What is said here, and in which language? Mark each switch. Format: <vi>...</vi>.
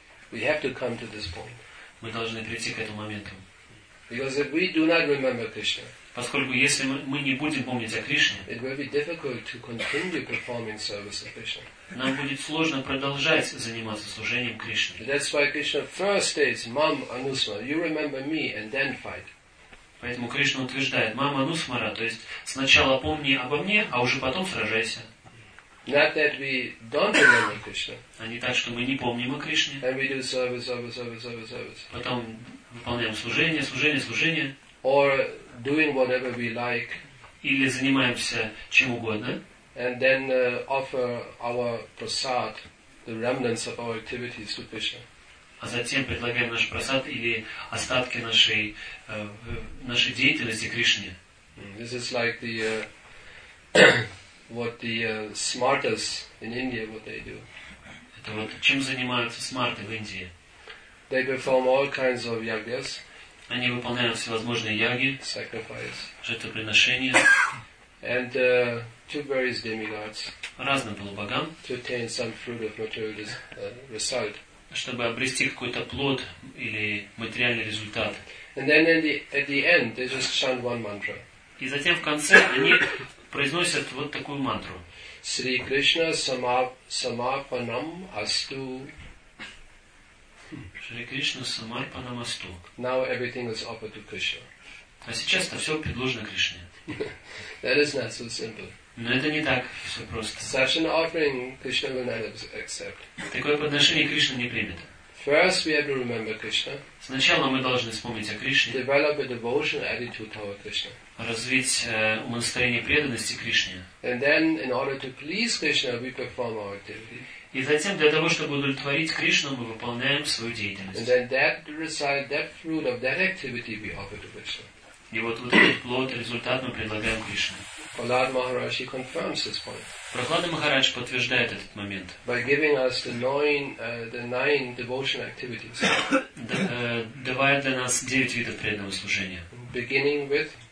<en>We have to come to this point.</en> <ru>Мы должны прийти к этому моменту.</ru> <en>Because if we do not remember Krishna,</en> <ru>поскольку если мы не будем помнить о Кришне,</ru> <en>it will be difficult to continue performing service of Krishna.</en> <ru>Нам будет сложно продолжать заниматься служением Кришне.</ru> <en>That's why Krishna first states, "Mam Anusmara, you remember me, and then fight."</en> <ru>Поэтому Кришна утверждает, "Мам Анусмара, то есть сначала помни обо мне, а уже потом сражайся."</ru> <en>Not that we don't remember Krishna.</en> <ru>А не так, что мы не помним о Кришне.</ru> <en>And we do service.</en> <ru>Потом выполняем служение.</ru> <en>Or doing whatever we like.</en> <ru>Или занимаемся чем угодно.</ru> <en>And then offer our prasad, the remnants of our activities to Krishna.</en> <ru>А затем предлагаем наш прасад или остатки нашей нашей деятельности Кришне.</ru> <en>This is like the what the smartas in India what they do.</en> <ru>Это вот чем занимаются смарты в Индии.</ru> <en>They perform all kinds of yagyas.</en> <ru>Они выполняют всевозможные яги.</ru> <en>Sacrifice.</en> <ru>Жертвоприношения.</ru> <en>And to various demigods.</en> <ru>Разным полубогам.</ru> <en>To attain some fruit of material result.</en> <ru>Чтобы обрести какой-то плод или материальный результат.</ru> <en>And then at the end they just chant one mantra.</en> <ru>И затем в конце они произносят вот такую мантру.</ru> <sa>Sri Krishna samarpanam astu. Sri Krishna samarpanam astu.</sa> <en>Now everything is offered to Krishna.</en> <ru>А сейчас это все предложено Кришне.</ru> <en>That is not so simple.</en> <ru>Но это не так все просто.</ru> <en>Such an offering Krishna will not accept.</en> <ru>Такое подношение Кришна не примет.</ru> <en>First we have to remember Krishna.</en> <ru>Сначала мы должны вспомнить о Кришне.</ru> <en>Develop a devotion attitude toward Krishna.</en> <ru>Развить умонастроение преданности Кришне.</ru> <en>And then in order to please Krishna we perform our activity.</en> <ru>И затем для того, чтобы удовлетворить Кришну, мы выполняем свою деятельность.</ru> <en>And then that result, that fruit of that activity we offer to Krishna.</en> <ru>И вот этот плод, результат мы предлагаем Кришне.</ru> <en>Prahlada Maharaj confirms this point.</en> <ru>Прохлада Махарадж подтверждает этот момент.</ru> <en>By giving us the nine devotion activities.</en> <ru>Давая для нас 9 видов преданного служения.</ru> <en>Beginning with.</en>